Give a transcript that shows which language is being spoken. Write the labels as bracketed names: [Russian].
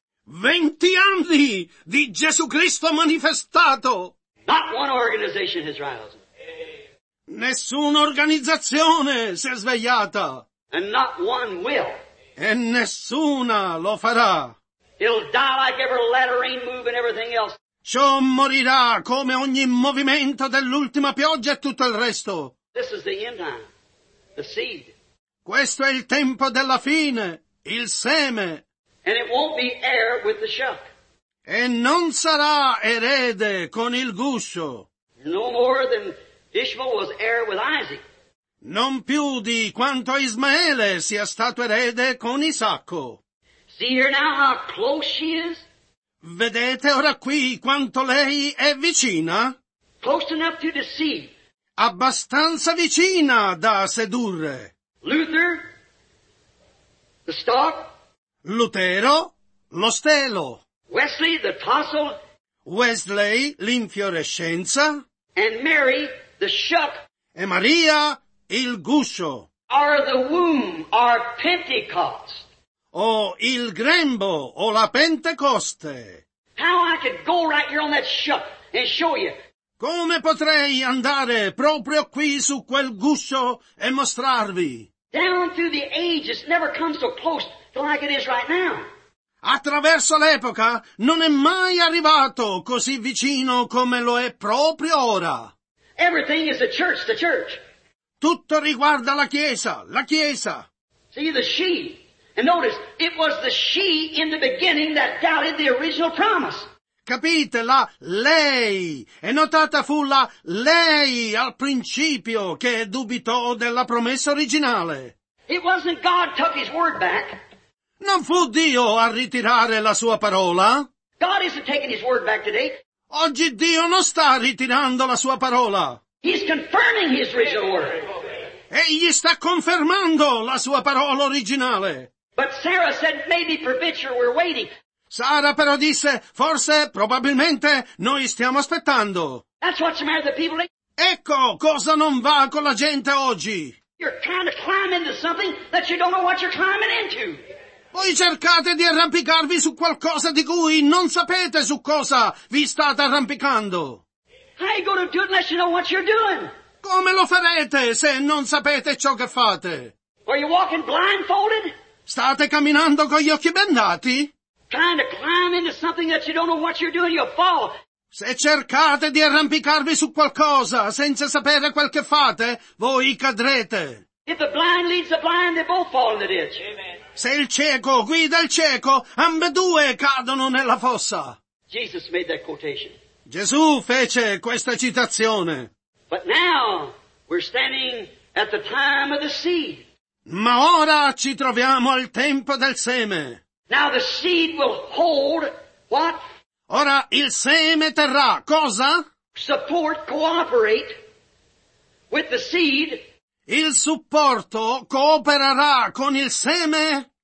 [Italian] 20 anni di Gesù Cristo manifestato! [English] Not one organization has risen. [Italian] Nessuna organizzazione si è svegliata! [English] And not one will. [Italian] E nessuna lo farà! [English] It'll die like every lettering move and everything else. [Italian] Ciò morirà come ogni movimento dell'ultima pioggia e tutto il resto. [English] This is the end time. The seed. [Italian] Questo è il tempo della fine. Il seme. [English] And it won't be heir with the shuck. [Italian] E non sarà erede con il guscio. [English] No more than Ishmael was heir with Isaac. [Italian] Non più di quanto Ismaele sia stato erede con Isacco. [English] See here now how close she is? [Italian] Vedete ora qui quanto lei è vicina? [English] Close enough to deceive. [Italian] Abbastanza vicina da sedurre. [English] Luther, the stalk. [Italian] Lutero, lo stelo. [English] Wesley, the tassel. [Italian] Wesley, l'infiorescenza. [English] And Mary, the shuck. [Italian] e Maria il guscio. [English] Or the womb, or Pentecost. [Italian] O il grembo, o la Pentecoste. [English] How I could go right here on that ship and show you. [Italian] Come potrei andare proprio qui su quel guscio e mostrarvi? [English] Down through the ages, never come so close to like it is right now. [Italian] Attraverso l'epoca non è mai arrivato così vicino come lo è proprio ora. [English] Everything is the church, the church. [Italian] Tutto riguarda la Chiesa, la Chiesa. [English] See the she. And notice, it was the she in the beginning that doubted the original promise. [Italian] Capite, la lei. E notata fu la lei al principio che dubitò della promessa originale. [English] It wasn't God took his word back. [Italian] Non fu Dio a ritirare la sua parola. [English] God isn't taking his word back today. [Italian] Oggi Dio non sta ritirando la sua parola. [English] He's confirming his original word. [Italian] Egli sta confermando la sua parola originale. [English] But Sarah said, maybe for Bitcher we're waiting. [Italian] Sara però disse, forse, probabilmente, noi stiamo aspettando. [English] That's what's the matter with people. [Italian] Ecco cosa non va con la gente oggi. [English] You're trying to climb into something that you don't know what you're climbing into. [Italian] Voi cercate di arrampicarvi su qualcosa di cui non sapete su cosa vi state arrampicando. [English] How you gonna do it unless you know what you're doing? [Italian] Come lo farete se non sapete ciò che fate? [English] Are you walking blindfolded? [Italian] State camminando con gli occhi bendati? [English] Trying to climb into something that you don't know what you're doing, you'll fall. [Italian] Se cercate di arrampicarvi su qualcosa senza sapere quel che fate, voi cadrete. [English] If the blind leads the blind, they both fall in the ditch. Amen. [Italian] Se il cieco guida il cieco, ambedue cadono nella fossa. [English] Jesus made that quotation. [Italian] Gesù fece questa citazione. [English] But now we're standing at the time of the seed. [Italian] Ma ora ci troviamo al tempo del seme. [English] Now the seed will hold what? [Italian] Ora il seme terrà cosa? [English] Support, cooperate with the seed. [Italian] Il supporto coopererà con il seme.